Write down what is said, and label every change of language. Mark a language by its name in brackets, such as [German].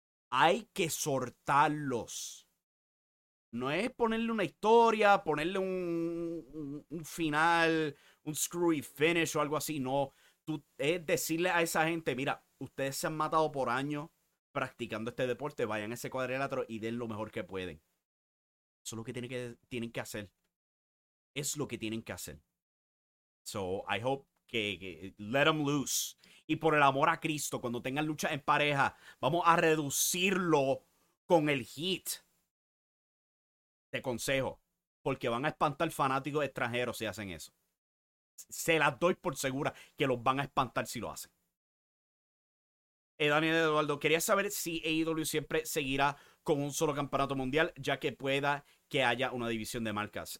[Spanish] Hay que soltarlos. No es ponerle una historia, ponerle un final, un [English] screwy finish [Spanish] o algo así, no. Tú es decirle a esa gente, mira, ustedes se han matado por años practicando este deporte, vayan a ese cuadrilátero y den lo mejor que pueden. Eso es lo que tienen que hacer. Es lo que tienen que hacer. [English] So, I hope [Spanish] que [English] let them loose. [Spanish] Y por el amor a Cristo, cuando tengan lucha en pareja, vamos a reducirlo con el heat. Te consejo, porque van a espantar fanáticos extranjeros si hacen eso. Se las doy por segura que los van a espantar si lo hacen. Daniel Eduardo, quería saber si AEW siempre seguirá con un solo campeonato mundial, ya que pueda que haya una división de marcas.